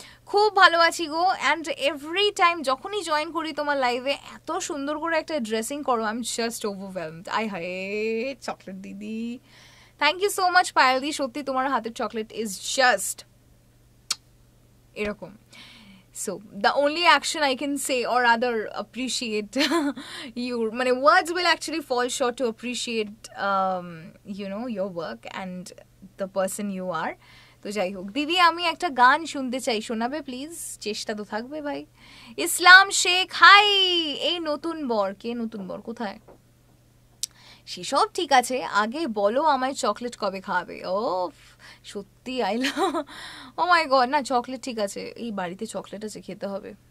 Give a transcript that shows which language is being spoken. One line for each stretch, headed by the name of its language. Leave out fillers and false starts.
Bangla: খুব ভালো আছি গো,
English: and every time
Bangla: যখনই জয়েন করি তোমার লাইভে, এত সুন্দর করে একটা ড্রেসিং করো,
English: I am just overwhelmed,
Bangla: I hi chocolate দিদি,
English: thank you so much
Bangla: Payel দি, সত্যি তোমার হাতের চকলেট ইজ জাস্ট এরকম।
English: So, the only action I can say or rather appreciate your, মানে words will actually fall short to appreciate, you know, your work and the person you are.
Bangla: তো যাই হোক দিদি, আমি একটা গান শুনতে চাই, শোনাবে প্লিজ? চেষ্টা তো থাকবে ভাই। ইসলাম শেখ, হাই, এই নতুন বর, কে নতুন বর, কোথায়? সেসব ঠিক আছে, আগে বলো আমায় চকলেট কবে খাওয়াবে। ও সত্যি আইল,
English: oh my God,
Bangla: না চকলেট ঠিক আছে, এই বাড়িতে চকলেট আছে খেতে হবে।